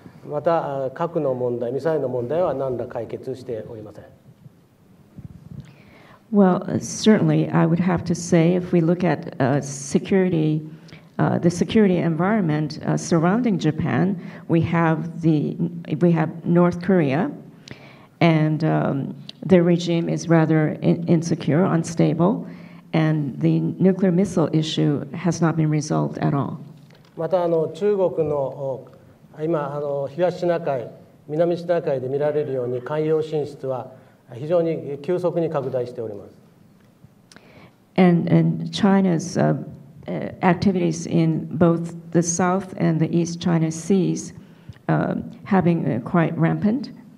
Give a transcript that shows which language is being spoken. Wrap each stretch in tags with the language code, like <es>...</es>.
<ja>また、核の問題、ミサイルの問題は何ら解決しておりません。</ja> <en>Well, certainly, I would have to say if we look at securityThe security environment surrounding Japan, we have North Korea, and their regime is rather insecure, unstable, and the nuclear missile issue has not been resolved at all.</en> <ja>また中国の今東シナ海、南シナ海で見られるように海洋進出は非常に急速に拡大しております。</ja> <en>And China'sActivities in both the South and the East China Seas have been quite rampant.</en>